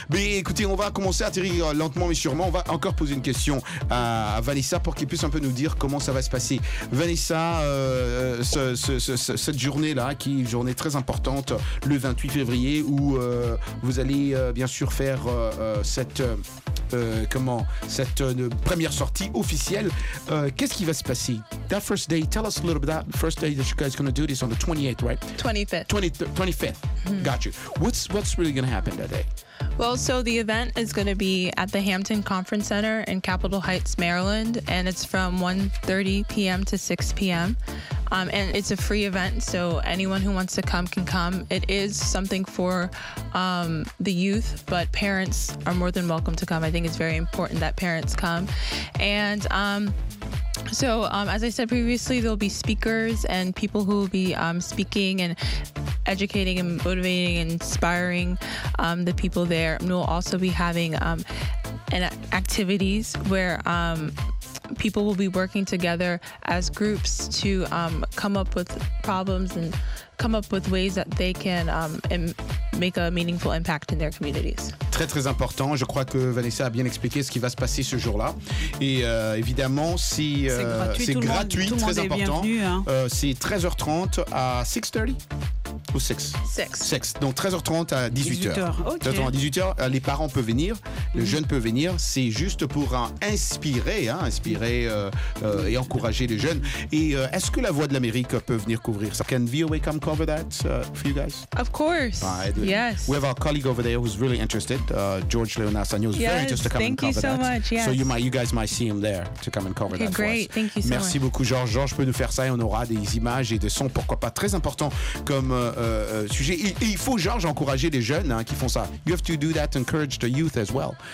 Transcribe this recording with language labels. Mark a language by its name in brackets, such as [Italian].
[French] Mais écoutez, on va commencer à atterrir lentement mais sûrement. On va encore poser une question à Vanessa pour qu'elle puisse un peu nous dire comment ça va se passer. Vanessa, cette journée-là, qui est une journée très importante, le 28 février, où vous allez bien sûr faire cette première sortie officielle. Qu'est-ce qui va se passer? [English] That first day, tell us a little bit about the first day that you guys are going to do this on the 28th, right? 25th. Mm-hmm. Got you. What's really going to happen that day? Well, so the event is going to be at the Hampton Conference Center in Capitol Heights, Maryland, and it's from 1:30 p.m. to 6 p.m. And it's a free event, so anyone who wants to come can come. It is something for the youth, but parents are more than welcome to come. I think it's very important that parents come. And so, as I said previously, there'll be speakers and people who will be speaking and educating and motivating and inspiring the people there. And we'll also be having activities where people will be working together as groups to come up with problems and come up with ways that they can make a meaningful impact in their communities. [French] très très important. Je crois que Vanessa a bien expliqué ce qui va se passer ce jour-là. Et évidemment, si c'est gratuit, très important. C'est 13h30 à 6h30. Ou sex. Donc 13h30 à 18h. 18h. Okay. 18h, les parents peuvent venir, le jeune peut venir. C'est juste pour inspirer et encourager les jeunes. Et est-ce que la Voix de l'Amérique peut venir couvrir ça? [English] Can VOA come cover that for you guys? Of course. Yes. We have our colleague over there who's really interested, George Leonardo Sanyo, who's very interested to come and cover that. Thank you so much. Yes. So you guys might see him there to come and cover that. Great. For us. Thank you so [French] Merci [English] much. [French] Beaucoup, George. George peut nous faire ça et on aura des images et des sons, pourquoi pas, très importants comme. Sujet. Et il faut, Georges, encourager les jeunes qui font ça. [English] You have to do that, encourage the youth as well.